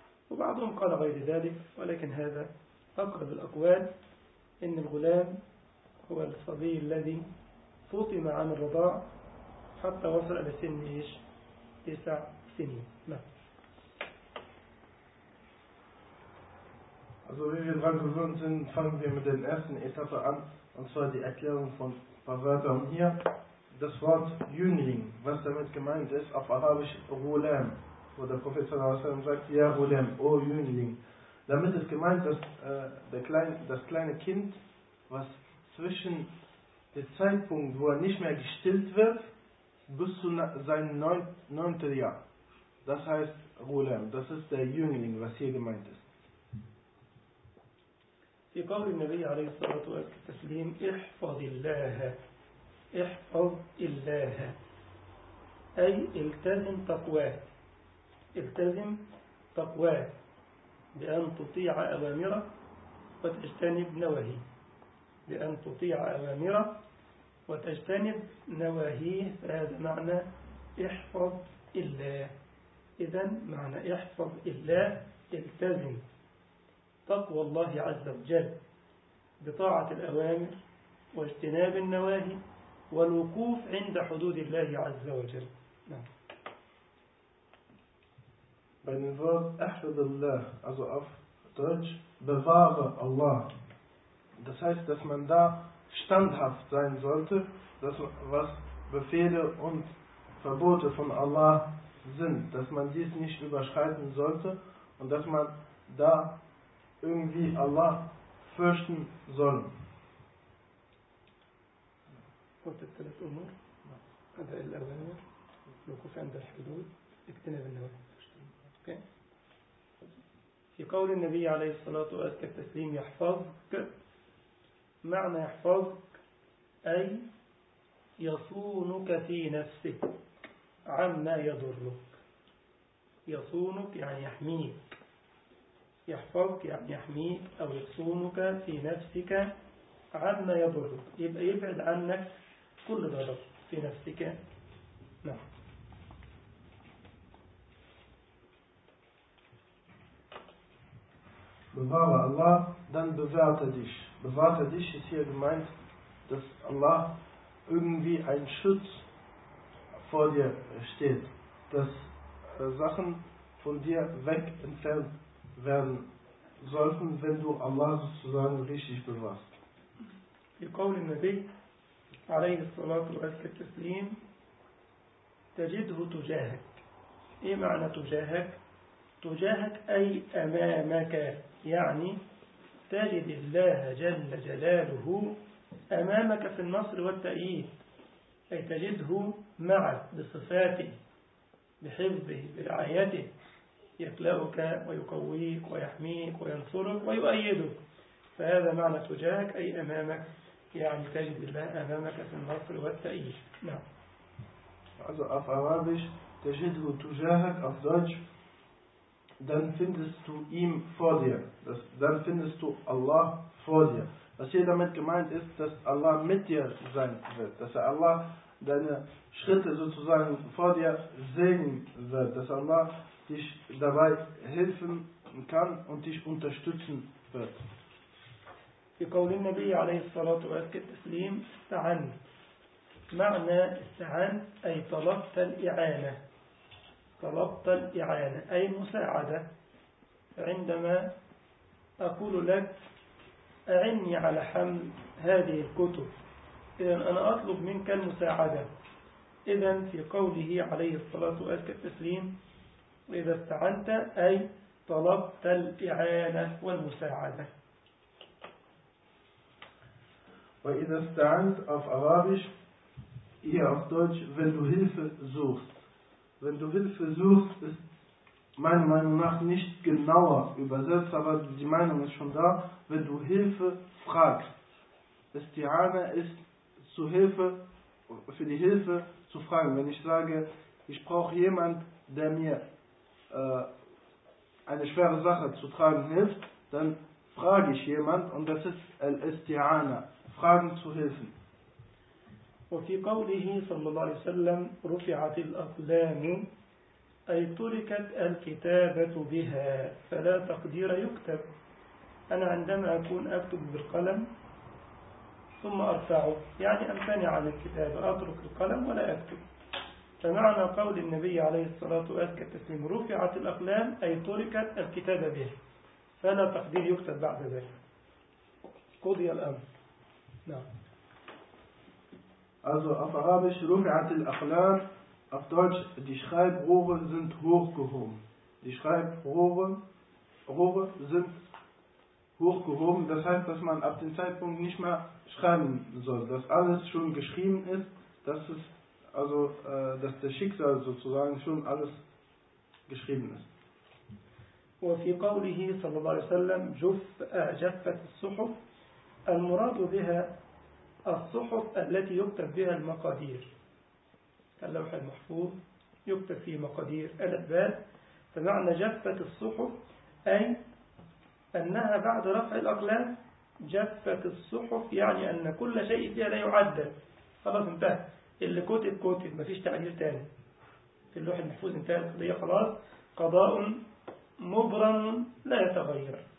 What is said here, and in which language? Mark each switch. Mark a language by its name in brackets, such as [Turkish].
[Arabic] وبعضهم قال غير ذلك، ولكن هذا أقرب الأقوال، إن الغلام هو الصبي الذي فطم عن الرضاع حتى وصل إلى سن 9 سنين. [German] Also wie wir dran gewöhnt sind, fangen wir mit der ersten Etappe an, und zwar die Erklärung von ein paar Wörtern hier. Das Wort Jüngling, was damit gemeint ist, auf Arabisch Ghulam, wo der Prophet sagt, ja Ghulam, o Jüngling. Damit ist gemeint, dass das kleine Kind, was zwischen dem Zeitpunkt, wo er nicht mehr gestillt wird, bis zu seinem 9. Jahr. Das heißt Ghulam, das ist der Jüngling, was hier gemeint ist. [Arabic] في قول النبي عليه الصلاة والتسليم: احفظ الله احفظ الله، أي التزم تقواه، التزم تقواه بأن تطيع أوامره وتجتنب نواهيه، بأن تطيع أوامره وتجتنب نواهيه، فهذا معنى احفظ الله. إذن معنى احفظ الله التزم تقوى الله عز وجل بطاعة الأوامر واجتناب النواهي والوقوف عند حدود الله عز وجل. بين الفاظ احفظ الله، [German] also auf Deutsch bewahre Allah. Das heißt, dass man da standhaft sein sollte, dass was Befehle und Verbote von Allah sind, dass man dies nicht überschreiten sollte und dass man da irgendwie Allah fürchten sollen. [Arabic] قلت الثلاث أمور: أداء الأوامر، الوقوف عند الحدود، اجتناب النواهي. في قول النبي عليه الصلاة والتسليم: يحفظك، معنى يحفظك أي يصونك في نفسك عما يضرك، يصونك يعني يحميك، يحفظك يعني يحميك أو يصونك في نفسك عما يضرك، يبقى يبعد عنك كل ضرر في نفسك. نعم. بفاوة الله [German] dann bewahrte dich. Bewahrte dich ist hier gemeint, dass Allah irgendwie ein Schutz vor dir steht, dass Sachen von dir weg entfernt werden sollten, wenn du Allah sozusagen richtig bewahrst. [Arabic] في قول النبي عليه الصلاة والتسليم: تجده تجاهك. إيه معنى تجاهك؟ تجاهك أي أمامك، يعني تجد الله جل جلاله أمامك في النصر والتأييد، أي تجده معك بصفاته بحفظه برعايته، يكلأك ويقويك ويحميك وينصرك ويؤيدك. فهذا معنى تجاهك أي أمامك، يعني تجد الله أمامك في النصر والتأييد. نعم. [German] Also auf Arabisch [Arabic] تجده تجاهك، [German] auf Deutsch dann findest du ihm vor dir. Dann findest du Allah vor dir. Was hier damit gemeint ist, dass Allah mit dir sein wird. Dass Allah deine Schritte sozusagen vor dir sehen wird. Dass Allah dich dabei helfen kann und dich unterstützen wird. [Arabic] في قول النبي عليه الصلاة والتسليم: استعنت. معنى استعنت أي طلبت الإعانة، طلبت الإعانة أي مساعدة، عندما أقول لك أعني على حمل هذه الكتب إذا أنا أطلب منك المساعدة. إذا في قوله عليه الصلاة والتسليم إذا استعنت أي طلبت الإعانة والمساعدة. وإذا استعنت [German] auf Arabisch hier auf Deutsch wenn du Hilfe suchst. Wenn du Hilfe suchst ist meiner Meinung nach nicht genauer übersetzt, aber die Meinung ist schon da. Wenn du Hilfe fragst, Isti'ana ist zu Hilfe, für die Hilfe zu fragen. Wenn ich sage, ich brauche jemanden, der mir eine schwere Sache zu tragen hilft, dann frage ich jemanden und das ist Al-Isti'ana, Fragen zu Hilfe. [Arabic] وفي قوله صلى الله عليه وسلم رفعت الأقلام أي تركت الكتابة بها فلا تقدير يكتب. أنا عندما أكون أكتب بالقلم ثم أرفعه يعني أمتنع عن الكتابة أترك القلم ولا أكتب. فمعنى قول النبي عليه الصلاة والتسليم رفعت الأقلام أي تركت الكتابة بها فلا تقدير يكتب بعد ذلك. قضي الأمر. نعم. [German] Also auf Arabisch Rufi'at al-Aqlam, auf Deutsch die Schreibrohre sind hochgehoben. Die Schreibrohre sind hochgehoben, das heißt, dass man ab dem Zeitpunkt nicht mehr schreiben soll. Dass alles schon geschrieben ist, dass es, also, dass der Schicksal sozusagen schon alles geschrieben ist. Und in [Arabic] قوله صلى الله عليه وسلم جفت الصحف المراد بها الصحف التي يكتب بها المقادير اللوح المحفوظ يكتب فيه مقادير الأبواب. فمعنى جفت الصحف أي أنها بعد رفع الأقلام جفت الصحف يعني أن كل شيء فيها لا يعدل خلاص انتهى اللي كتب كتب ما فيش تعديل تاني في اللوح المحفوظ انتهى القضية خلاص قضاء مبرم لا يتغير.